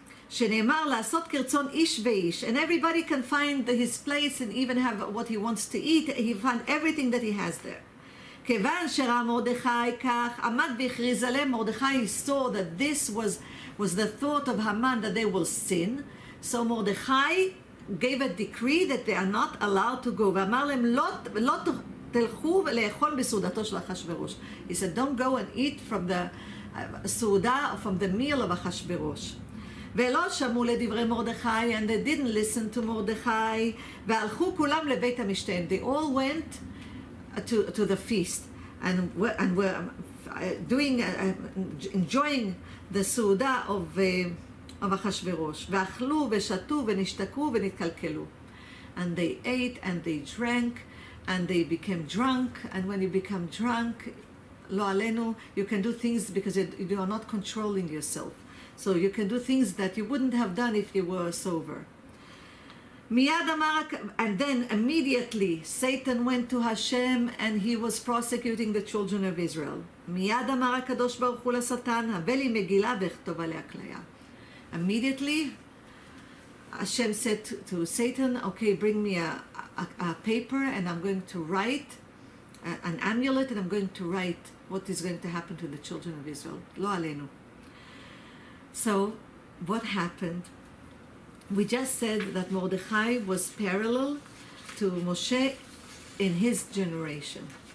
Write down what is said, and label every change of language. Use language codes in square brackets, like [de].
[he] Sheneimar la'asot kirtzon ish ve'ish, [en] and everybody can find his place and even have what he wants to eat. He find everything that he has there. [he] Kevan shera Mordechai kach, amad v'chriz aleh. [en] Mordechai saw that this was the thought of Haman, that they will sin. So Mordechai gave a decree that they are not allowed to go. [he] ואמר להם, לא תלכו לאכול בסעודתו של אחשוורוש. [en] He said, don't go and eat from the סעודה, from the meal of אחשוורוש. [he] ולא שמעו לדברי מרדכי, [en] and they didn't listen to מרדכי, [he] והלכו כולם לבית המשתה. [en] They all went to the feast, and were doing, enjoying the סעודה of אחשוורוש. [he] ואכלו ושתו ונשתקו ונתקלקלו. [en] And they ate and they drank, and they became drunk. And when you become drunk, [he] לא עלינו, [en] you can do things because you are not controlling yourself. So you can do things that you wouldn't have done if you were sober. [he] מיד אמר, [en] and then immediately Satan went to Hashem and he was prosecuting the children of Israel. [he] מיד אמר הקדוש ברוך הוא לשטן, הבא לי מגילה וכתוב עליה כליה. [en] Immediately Hashem said to Satan, okay, bring me a paper and I'm going to write an amulet and I'm going to write what is going to happen to the children of Israel. [he] לא עלינו. [en] So what happened? We just said that Mordechai was parallel to Moshe in his generation.